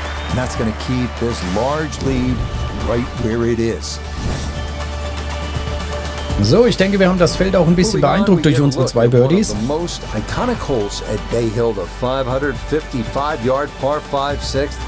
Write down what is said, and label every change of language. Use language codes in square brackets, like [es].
[en] And that's going to keep this large lead right where it is. [de] So, ich denke, wir haben das Feld auch ein bisschen beeindruckt durch unsere zwei Birdies. [en] The most iconic holes at Bay Hill, the 555-yard par 5 sixth.